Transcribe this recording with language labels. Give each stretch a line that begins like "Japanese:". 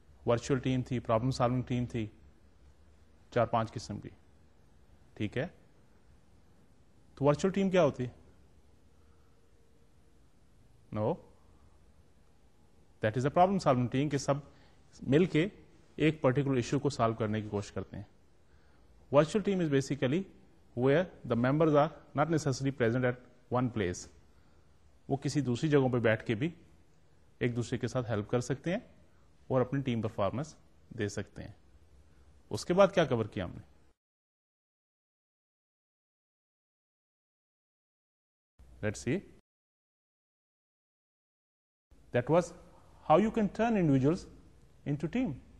Urdu: Virtual team تھی, problem solving team تھی, 4-5 قسم کی. ٹھیک ہے, تو ورچوئل ٹیم کیا ہوتی؟ نو,
English: that is a problem solving team,
Urdu: کہ سب مل کے ایک پرٹیکولر ایشو کو سالو کرنے کی کوشش کرتے ہیں.
English: Virtual team is basically where the members are not necessary present at one place.
Urdu: وہ کسی دوسری جگہوں پہ بیٹھ کے بھی ایک دوسرے کے ساتھ ہیلپ کر سکتے ہیں اور اپنی ٹیم پرفارمنس دے سکتے ہیں. اس کے بعد کیا کور کیا ہم نے؟
English: Let's see, that was how you can turn individuals into team.